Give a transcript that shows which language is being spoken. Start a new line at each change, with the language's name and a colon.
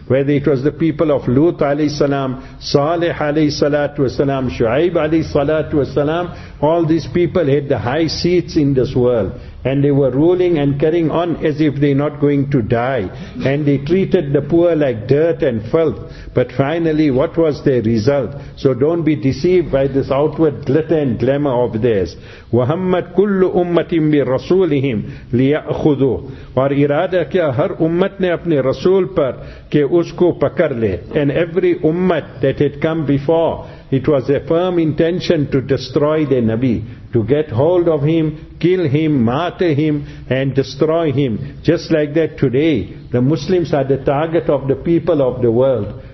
English: Whether it was the people of Lut alayhi salam, Saleh alayhi salatu wasalam, Shu'aib alayhi salatu wasalam, all these people had the high seats in this world. And they were ruling and carrying on as if they're not going to die. And they treated the poor like dirt and filth. But finally, what was their result? So don't be deceived by this outward glitter and glamour of theirs.
Arabic: وَهَمَّتْ كُلُّ أُمَّةٍ بِرَسُولِهِمْ لِيَأْخُذُوهُ
Urdu: اور ارادہ کیا ہر امت نے اپنے رسول پر کہ اس کو پکر لے.
English: And every ummat that had come before, it was a firm intention to destroy the Nabi, to get hold of him, kill him, martyr him, and destroy him. Just like that today, the Muslims are the target of the people of the world.